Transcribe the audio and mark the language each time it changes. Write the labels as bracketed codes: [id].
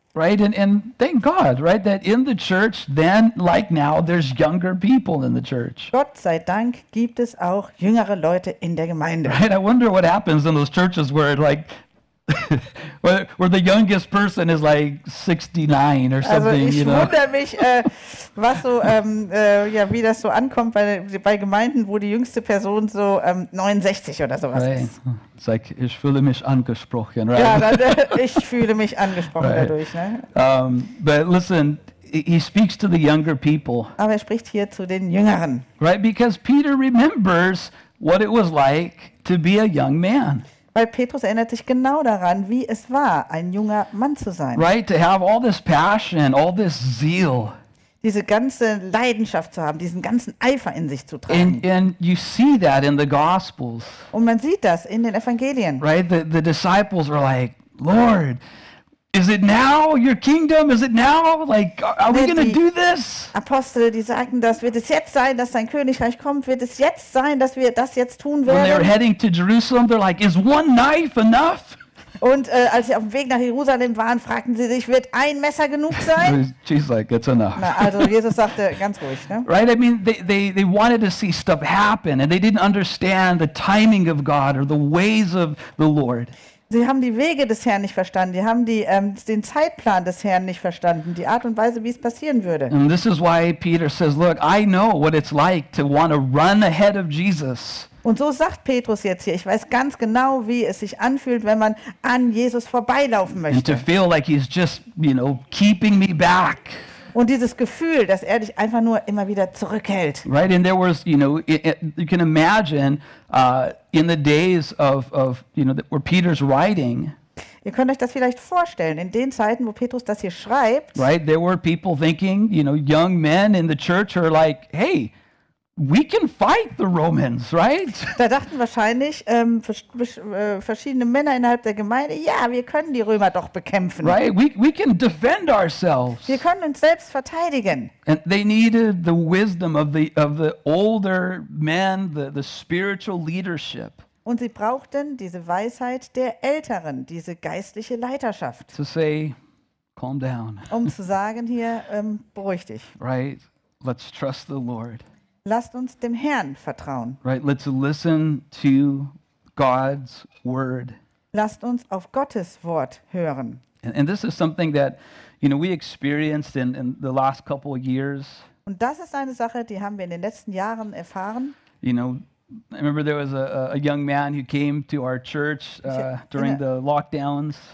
[en] Right, and thank God, right, that in the church then, like now, there's younger people in the church. [de] Gott sei Dank gibt es auch jüngere Leute in der Gemeinde. [en] Right, I wonder what happens in those churches where, like, where the youngest person is like 69 or something, [de] also [en] you know. [de] Also ich wundere mich, was so, ja, wie das so ankommt bei Gemeinden, wo die jüngste Person so 69 oder sowas [en] right. [de] ist. [en] It's like, [de] ich fühle mich angesprochen, right? Ja, ich fühle mich angesprochen right. dadurch, ne? [en] But listen, he speaks to the younger people. [de] Aber er spricht hier zu den Jüngeren. [en] Right, because Peter remembers what it was like to be a young man. [de] Weil Petrus erinnert sich genau daran, wie es war, ein junger Mann zu sein. [en] Right, to have all this passion, all this zeal. [de] Diese ganze Leidenschaft zu haben, diesen ganzen Eifer in sich zu tragen. [en] And you see that in the Gospels. [de] Und man sieht das in den Evangelien. [en] Right, the disciples were like, Lord, is it now your kingdom? Is it now? Like, are we going to do this? [de] Apostel, die sagten, das wird es jetzt sein, dass dein Königreich kommt. Wird es jetzt sein, dass wir das jetzt tun werden? [en] When they're heading to Jerusalem, they're like, is one knife enough? [de] Und als sie auf dem Weg nach Jerusalem waren, fragten sie sich, wird ein Messer genug sein? [en] Jesus like, it's enough. [de] Na, also Jesus sagte, ganz ruhig. Ne? [en] Right, I mean, they wanted to see stuff happen and they didn't understand the timing of God or the ways of the Lord. [de] Sie haben die Wege des Herrn nicht verstanden. Sie haben die, den Zeitplan des Herrn nicht verstanden. Die Art und Weise, wie es passieren würde. [en] And this is why Peter says, look, I know what it's like to want to run ahead of Jesus. [de] Und so sagt Petrus jetzt hier, ich weiß ganz genau, wie es sich anfühlt, wenn man an Jesus vorbeilaufen möchte. [en] And to feel like he's just, you know, keeping me back. [de] Und dieses Gefühl, dass er dich einfach nur immer wieder zurückhält. [en] Right, and there was, you know, you can imagine in the days of you know, where Peter's writing. [de] Ihr könnt euch das vielleicht vorstellen, in den Zeiten, wo Petrus das hier schreibt. [en] Right, there were people thinking, you know, young men in the church are like, hey, we can fight the Romans, right? [de] Da dachten wahrscheinlich verschiedene Männer innerhalb der Gemeinde, ja, wir können die Römer doch bekämpfen. [en] Right, we can defend ourselves. [de] Wir können uns selbst verteidigen. [en] And they needed the wisdom of the older men, the spiritual leadership. [de] Und sie brauchten diese Weisheit der Älteren, diese geistliche Leiterschaft. [en] To say, calm down. [de] Um zu sagen hier, beruhig dich. [en] Right, let's trust the Lord. [de] Lasst uns dem Herrn vertrauen. [en] Right, let's listen to God's word. [de] Lasst uns auf Gottes Wort hören. [en] And this is something that, you know, we experienced in the last couple of years. [de] Und das ist eine Sache, die haben wir in den letzten Jahren erfahren. [en] You know, I remember there was a young man who came to our church during the lockdowns.